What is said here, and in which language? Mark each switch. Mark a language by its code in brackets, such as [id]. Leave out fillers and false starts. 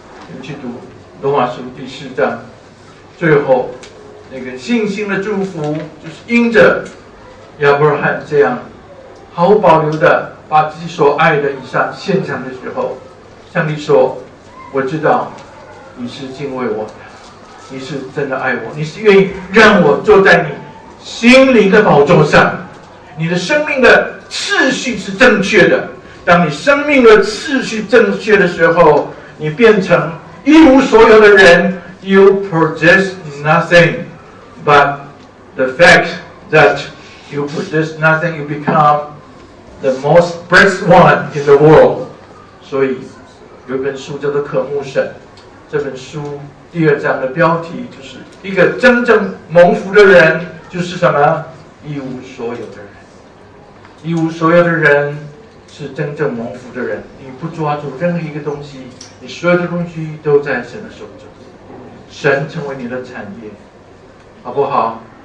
[zh] 你们去读罗马书第四章，最后那个信心的祝福就是因着亚伯拉罕这样毫无保留的把自己所爱的以撒献上的时候，上帝说：“我知道你是敬畏我的，你是真的爱我，你是愿意让我坐在你心灵的宝座上，你的生命的次序是正确的。当你生命的次序正确的时候，你变成一无所有的人。 [en] You possess nothing but the fact that you possess nothing, you become the most blessed one in the world. [zh] 所以有一本书叫做《渴慕神》，这本书第二章的标题就是一个真正蒙福的人，就是什么？一无所有的人。一无所有的人是真正蒙福的人。你不抓住任何一个东西，你所有的东西都在神的手中，神成为你的产业，好不好？